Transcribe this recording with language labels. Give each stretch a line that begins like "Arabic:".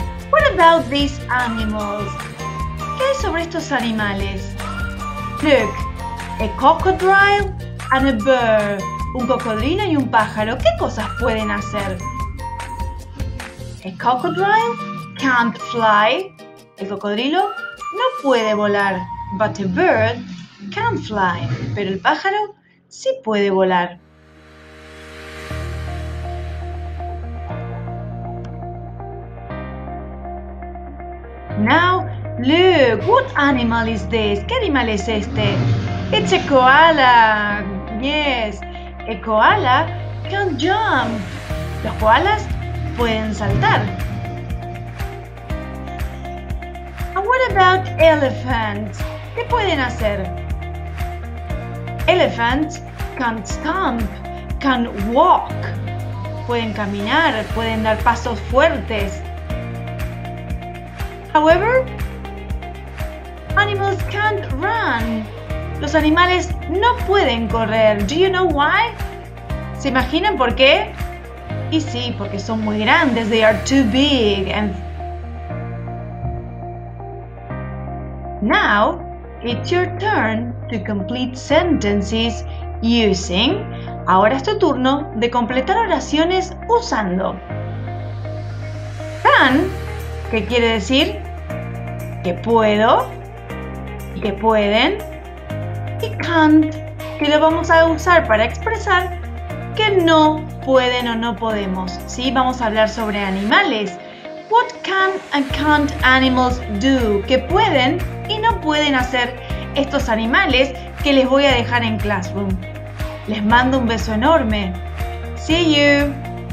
English: What about these animals?
Spanish: ¿Qué hay sobre estos animales?
English: Look, a crocodile and a bird.
Spanish: Un cocodrilo y un pájaro, ¿qué cosas pueden hacer?
English: A crocodile can't fly.
Spanish: El cocodrilo no puede volar.
English: But a bird can fly.
Spanish: Pero el pájaro sí puede volar.
English: Now, look, what animal is this?
Spanish: ¿Qué animal es este?
English: It's a koala. Yes, a koala can jump.
Spanish: Los koalas pueden saltar.
English: And what about elephants?
Spanish: ¿Qué pueden hacer?
English: Elephants can stomp, can walk.
Spanish: Pueden caminar, pueden dar pasos fuertes.
English: However, animals can't run.
Spanish: Los animales no pueden correr.
English: Do you know why?
Spanish: ¿Se imaginan por qué? Y sí, porque son muy grandes.
English: They are too big. And now, it's your turn to complete sentences using.
Spanish: Ahora es tu turno de completar oraciones usando. Can, ¿qué quiere decir? Que puedo, que pueden, y can't, que lo vamos a usar para expresar que no pueden o no podemos. ¿Sí? Vamos a hablar sobre animales.
English: What can and can't animals do?
Spanish: ¿Qué pueden y no pueden hacer estos animales que les voy a dejar en Classroom? Les mando un beso enorme.
English: See you.